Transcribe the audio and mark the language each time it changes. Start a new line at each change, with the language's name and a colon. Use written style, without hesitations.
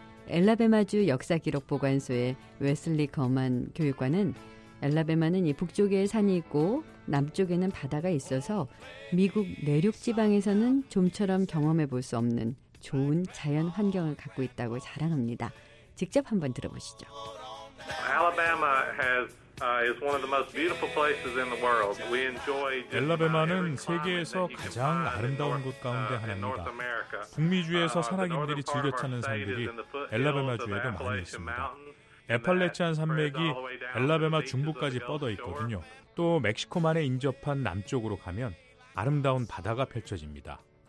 Korean: 엘라베마주 역사기록보관소의 웨슬리 거만 교육관은 엘라베마는 이 북쪽에 산이 있고 남쪽에는 바다가 있어서 미국 내륙지방에서는 좀처럼 경험해볼 수 없는 좋은 자연 환경을 갖고 있다고 자랑합니다. 직접 한번 들어보시죠.
English: Alabama has is one of the most beautiful places in the world. We enjoy.
Korean: 엘라베마는 세계에서 가장 아름다운 곳 가운데 하나입니다. 북미주에서 산악인들이 즐겨 찾는 산들이 엘라베마주에도 많이 있습니다. 애팔레치안 산맥이 엘라베마 중부까지 뻗어 있거든요. 또 멕시코만에 인접한 남쪽으로 가면 아름다운 바다가 펼쳐집니다.